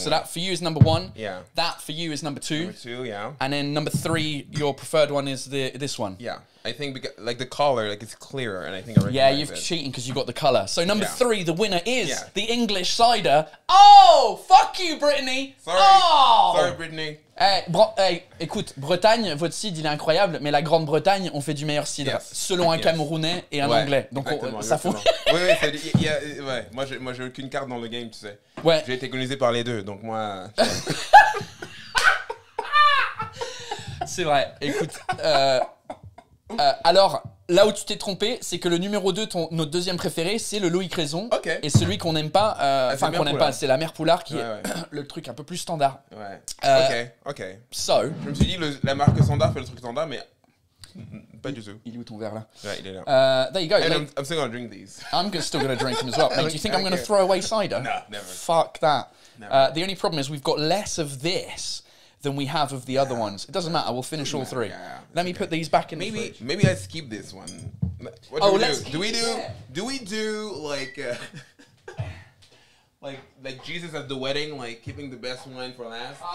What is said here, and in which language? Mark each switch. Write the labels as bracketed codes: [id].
[en] so way. That for you is number one. Yeah. That for you is number two. Number two, yeah. And then number three, your preferred one is this one. Yeah, I think because, like the color, like it's clearer, and I think I yeah, you're cheating because you got the color. So number three, the winner is the English cider. Oh, fuck you, Brittany. Sorry. Oh. Sorry, Brittany. [fr] Hey, écoute, Bretagne, votre cidre, il est incroyable, mais la Grande-Bretagne, on fait du meilleur cidre, selon un Camerounais et un Anglais. Donc, ça fout. Oui, oui, moi, j'ai aucune carte dans le game, tu sais. Ouais. J'ai été colonisé par les deux, donc moi... c'est vrai, écoute. Alors, là où tu t'es trompé, c'est que le numéro 2, notre deuxième préféré, c'est le Loïc Raison. OK. Et celui qu'on n'aime pas, enfin, qu'on n'aime pas, c'est la Mère Poulard qui est le truc un peu plus standard. Ouais. OK, OK. [en] So. [fr] Je me suis dit, la marque standard fait le truc standard, mais pas du tout. Il est où ton verre, là? Ouais, il est là. [en] There you go. And like, I'm still gonna drink these. I'm still gonna drink them as well. Like, do you think I'm gonna throw away cider? No, never. Fuck that. Never. The only problem is we've got less of this than we have of the other ones. It doesn't matter, we'll finish all three. Let me put these back in the fridge. Maybe let's keep this one. What do we do like Jesus at the wedding, like keeping the best wine for last?